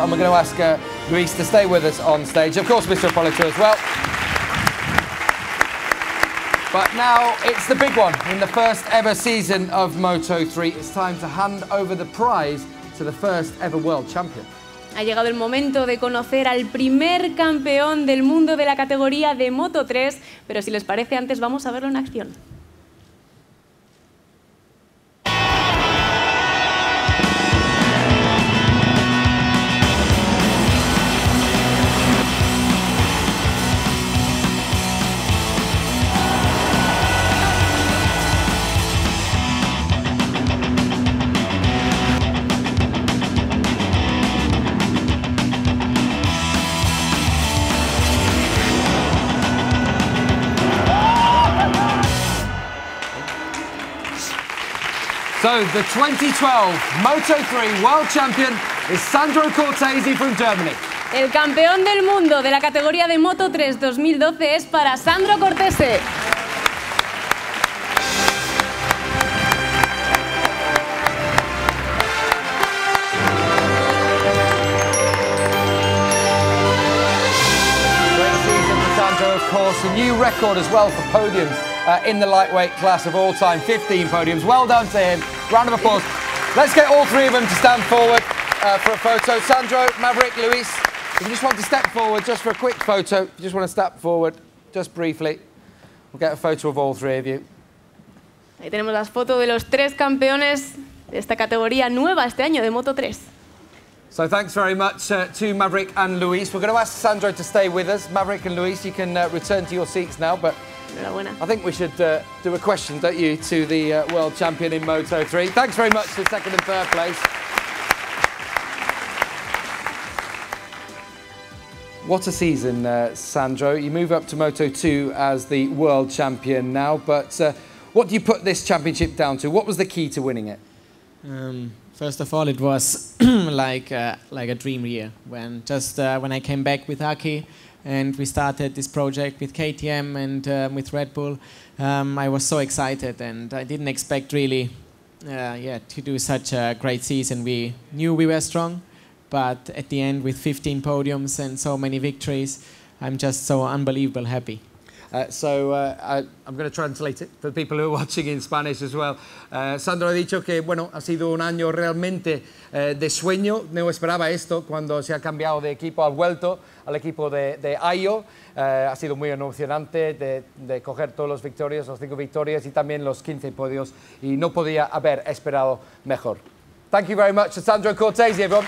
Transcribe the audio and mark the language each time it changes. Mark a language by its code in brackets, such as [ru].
[en] And we're going to ask Luis to stay with us on stage. Of course, Mr. Apollito as well. But now it's the big one. In the first ever season of Moto3, it's time to hand over the prize to the first ever world champion. [es] Ha llegado el momento de conocer al primer campeón del mundo de la categoría de Moto3. Pero si les parece, antes vamos a verlo en acción. [en] So the 2012 Moto3 World Champion is Sandro Cortese from Germany. [es] El campeón del mundo de la categoría de Moto3 2012 es para Sandro Cortese. [en] Great season for Sandro, of course, a new record as well for podiums in the lightweight class of all time, 15 podiums. Well done to him. Round of applause. Let's get all three of them to stand forward for a photo. Sandro, Maverick, Luis, if you just want to step forward just for a quick photo, if you just want to step forward just briefly, we'll get a photo of all three of you. [es] Ahí tenemos las fotos de los tres campeones de esta categoría nueva este año de Moto3. [en] So thanks very much to Maverick and Luis. We're going to ask Sandro to stay with us. Maverick and Luis, you can return to your seats now, but I think we should do a question, don't you, to the world champion in Moto3. Thanks very much for second and third place. What a season, Sandro. You move up to Moto2 as the world champion now, but what do you put this championship down to? What was the key to winning it? First of all, it was like a dream year. When I came back with Aki, and we started this project with KTM and with Red Bull. I was so excited, and I didn't expect really to do such a great season. We knew we were strong, but at the end, with 15 podiums and so many victories, I'm just so unbelievably happy. I'm going to translate it for the people who are watching in Spanish as well. [es] Sandro ha dicho que bueno, ha sido un año realmente de sueño. No esperaba esto cuando se ha cambiado de equipo, ha vuelto al equipo de Ayo. Ha sido muy emocionante de coger todos los victorias, los 5 victorias y también los 15 podios. Y no podía haber esperado mejor. [en] Thank you very much to Sandro Cortese, everyone.